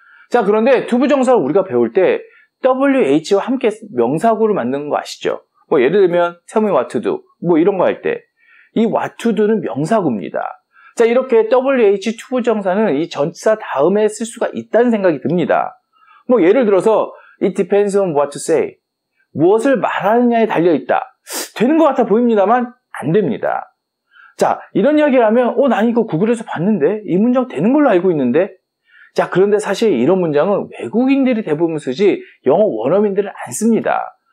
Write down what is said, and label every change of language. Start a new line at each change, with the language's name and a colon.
Korean: 자, 그런데 투부정사를 우리가 배울 때 WH와 함께 명사구를 만든 거 아시죠? 뭐 예를 들면
English: tell me what to do
Korean: 뭐 이런 거 할 때 이 what to do는 명사구입니다. 자, 이렇게 WH 투부정사는 이 전치사 다음에 쓸 수가 있다는 생각이 듭니다. 뭐 예를 들어서
English: it depends on what to say.
Korean: 무엇을 말하느냐에 달려있다. 되는 것 같아 보입니다만 안 됩니다. 자, 이런 이야기를 하면 난 이거 구글에서 봤는데 이 문장 되는 걸로 알고 있는데. 자, 그런데 사실 이런 문장은 외국인들이 대부분 쓰지 영어 원어민들은 안 씁니다.